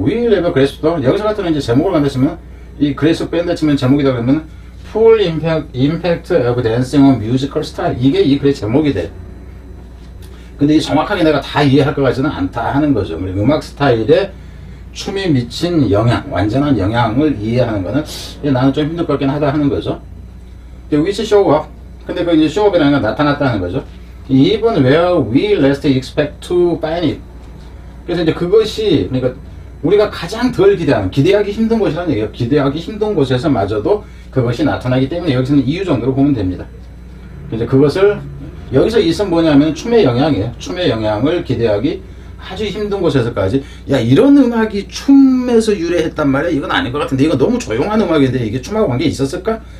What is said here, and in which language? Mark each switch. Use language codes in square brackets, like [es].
[en] Will ever grasp the [ko] 여기서 같은 이제 제목을 만드시면 이 grasp 밴드 치면 제목이다 그러면 [en] full impact of dancing on musical style [ko] 이게 이 글의 제목이 돼. 근데 이 정확하게 내가 다 이해할 것 같지는 않다 하는 거죠. 우리 음악 스타일에 춤이 미친 영향, 완전한 영향을 이해하는 거는 나는 좀 힘들 것 같긴 하다 하는 거죠. 근데 [en] which show up? [ko] 근데 그 이제 show up이라는 건 나타났다는 거죠. [en] Even where we least expect to find it. [ko] 그래서 이제 그것이, 그러니까 우리가 가장 덜 기대하는, 기대하기 힘든 곳이라는 얘기예요. 기대하기 힘든 곳에서 마저도 그것이 나타나기 때문에 여기서는 이유 정도로 보면 됩니다. 이제 그것을 여기서 있은 뭐냐면 춤의 영향이에요. 춤의 영향을 기대하기 아주 힘든 곳에서까지 야 이런 음악이 춤에서 유래했단 말이야 이건 아닌 것 같은데 이건 너무 조용한 음악인데 이게 춤하고 관계 있었을까?